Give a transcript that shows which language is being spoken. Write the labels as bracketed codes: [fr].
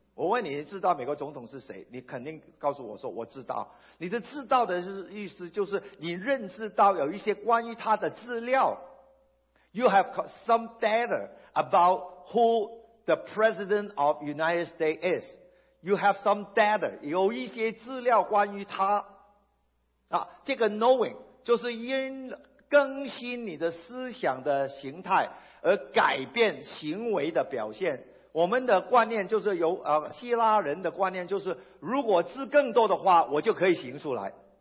[zh] 我问你，知道美国总统是谁？你肯定告诉我说我知道。你的知道的意思就是你认知到有一些关于他的资料。 [en] You have some data about who the president of United States is. You have some data， [zh] 有一些资料关于他。这个 knowing 就是因更新你的思想的形态而改变行为的表现。我们的观念就是由希腊人的观念就是，如果知更多的话，我就可以行出来。